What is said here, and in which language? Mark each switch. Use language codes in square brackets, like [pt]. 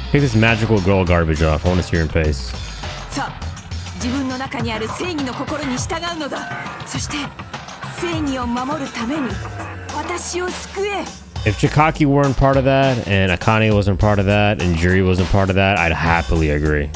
[en] Take this magical girl garbage off. I want to see your face. [ja] さあ、自分の中にある正義の心に従うのだ。そして正義を守るために私を救え。 [en] If Chikaki weren't part of that and Akane wasn't part of that and Juri wasn't part of that, I'd happily agree.